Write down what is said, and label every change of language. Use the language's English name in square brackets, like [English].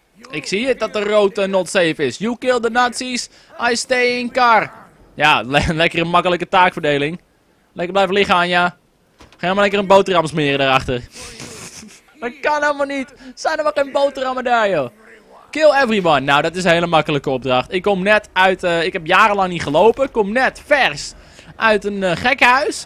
[Dutch] Ik zie het dat de rode [English] not safe [Dutch] is. [English] You kill the Nazis, I stay in car. [Dutch] Ja, lekker een makkelijke taakverdeling. Lekker blijven liggen, Anja. Ga helemaal lekker een boterham smeren daarachter. Dat kan helemaal niet. Zijn er wel geen boterhammen daar, joh. [English] Kill everyone. [Dutch] Nou, dat is een hele makkelijke opdracht. Ik kom net uit... ik heb jarenlang niet gelopen. Ik kom net vers uit een gekkenhuis.